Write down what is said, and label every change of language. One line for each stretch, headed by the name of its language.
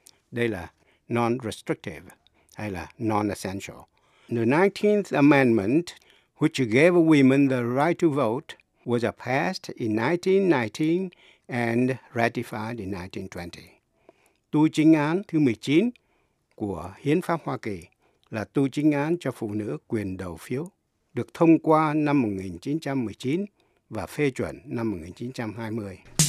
Vietnamese: Đây là non-restrictive hay là non-essential.
English: The 19th Amendment, which gave women the right to vote, was passed in 1919 and ratified in 1920.
Vietnamese: Tu chính án thứ 19 của Hiến pháp Hoa Kỳ là tu chính án cho phụ nữ quyền đầu phiếu, được thông qua năm 1919 và phê chuẩn năm 1920.